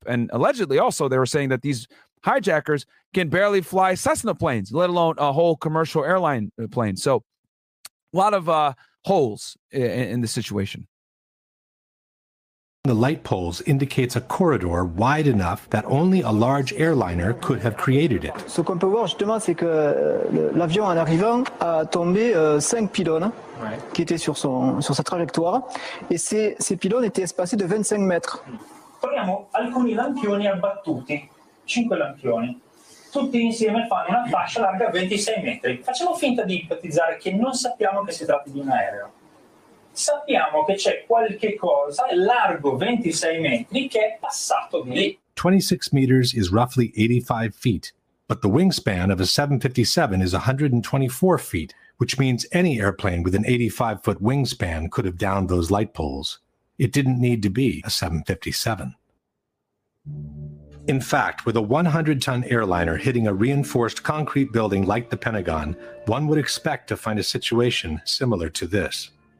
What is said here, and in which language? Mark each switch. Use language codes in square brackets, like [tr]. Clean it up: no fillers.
[en] And allegedly also they were saying that these hijackers can barely fly Cessna planes, let alone a whole commercial airline plane. So a lot of holes in the situation. The light poles indicates a corridor wide enough that only a large airliner could have created it. [fr] Ce qu'on peut voir justement, c'est que l'avion en arrivant a tombé cinq pylônes. Qui était sur son sur sa trajectoire et ces pylônes étaient espacés de 25 mètres. [it] Proviamo alcuni lampioni abbattuti, 5 lampioni, tutti insieme fanno una fascia larga 26 metri. Facciamo finta di ipotizzare che non sappiamo che si tratti di un aereo. Sappiamo che c'è qualche cosa largo 26 metri che è passato di lì. [en] 26 meters is roughly 85 feet, but the wingspan of a 757 is 124 feet. Which means any airplane with an 85-foot wingspan could have downed those light poles. It didn't need to be a 757. In fact, with a 100-ton airliner hitting a reinforced concrete building like the Pentagon, one would expect to find a situation similar to this.